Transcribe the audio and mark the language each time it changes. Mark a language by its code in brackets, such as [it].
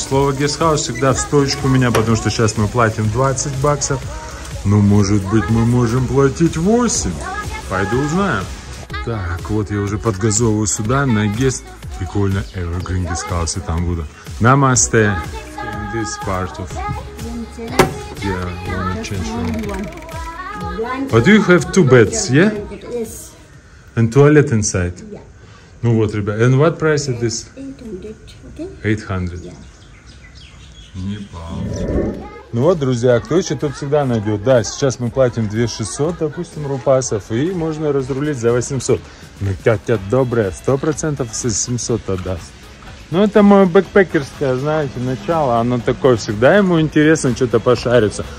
[ru] Слово Guest House всегда в стоечку у меня, потому что сейчас мы платим 20 баксов. Ну, может быть, мы можем платить 8. Пойду узнаю. Так, вот я уже подгазовываю сюда, на Guest. Прикольно, Evergreen Guest House, и там буду. [en] Намасте. In this part of... Yeah, I want to change room. But you have two beds, yeah? Yes. And toilet inside? Yeah. [ru] Ну вот, ребят, [en] and what price is this? 800, okay? 800. Yeah. [ru] Ну вот, друзья, кто ищет, тот всегда найдет. Да, сейчас мы платим 2600, допустим, рупасов, и можно разрулить за 800. Ну, тетя добрая, 100% 700 отдаст. Ну, это мое бэкпекерское, знаете, начало, оно такое, всегда ему интересно что-то пошариться.